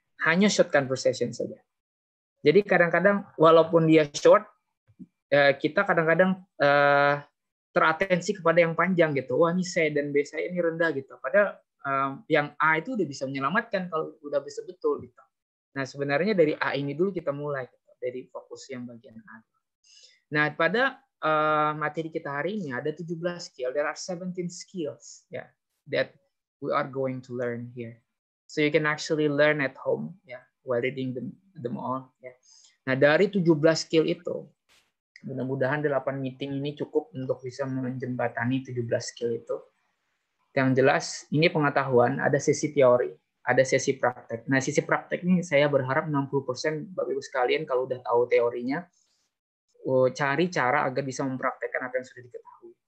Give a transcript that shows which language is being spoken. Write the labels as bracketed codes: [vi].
[id] Hanya short conversation saja. Jadi kadang-kadang walaupun dia short, kita kadang-kadang teratensi kepada yang panjang gitu. Wah, ini C dan B saya ini rendah gitu. Padahal yang A itu udah bisa menyelamatkan kalau udah bisa betul gitu. Nah, sebenarnya dari A ini dulu kita mulai gitu. Dari fokus yang bagian A. Nah, pada materi kita hari ini ada 17 skill. [en] There are 17 skills, yeah, that we are going to learn here. So you can actually learn at home, yeah, while reading them all. Yeah. [id] Nah, dari 17 skill itu, mudah-mudahan 8 meeting ini cukup untuk bisa menjembatani 17 skill itu. Yang jelas, ini pengetahuan, ada sesi teori, ada sesi praktek. Nah, sesi praktek ini saya berharap 60% Bapak-Ibu sekalian kalau udah tahu teorinya, cari cara agar bisa mempraktekkan apa yang sudah diketahui.